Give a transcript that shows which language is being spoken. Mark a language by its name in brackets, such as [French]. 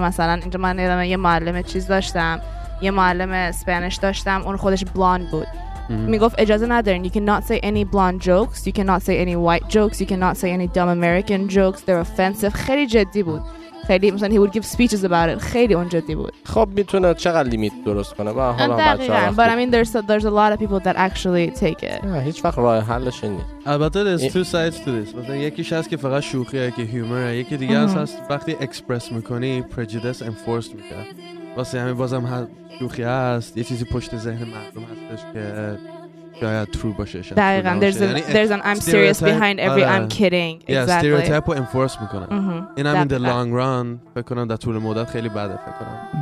[Persian] مثلا اینجا من یادم یه معلم چیز داشتم، یه معلم اسپانیش داشتم، اون خودش بلوند بود. میگفت اجازه ندارین، [English] you cannot say any blonde jokes, you cannot say any white jokes, you cannot say any dumb American jokes, they're offensive. [Persian] خیلی جدی بود، خیلی مثلا [English] he would give speeches about it. [Persian] خیلی اون جدی بود. خب میتونه چقدر لیمیت درست کنه و حالا بچه ها [English] but I mean there's a lot of people that actually take it. [Persian] هیچ وقت راه حلش نیست. [English] البته there's two sides to this. [Persian] مثلا یکیش هست که فقط شوخیه که هیومر، یکی دیگه هست وقتی اکسپرس میکنی prejudice enforced میکنه. واسه همین بازم شوخی هست، یه چیزی پشت ذهن مردم هستش که شاید true باشه. [English] دقیقا there's an I'm serious behind every I'm kidding. [Persian] Yeah, stereotype رو enforce میکنه. این هم [English] in the long run [Persian] فکر کنم در طول مدت خیلی بده فکر کنم.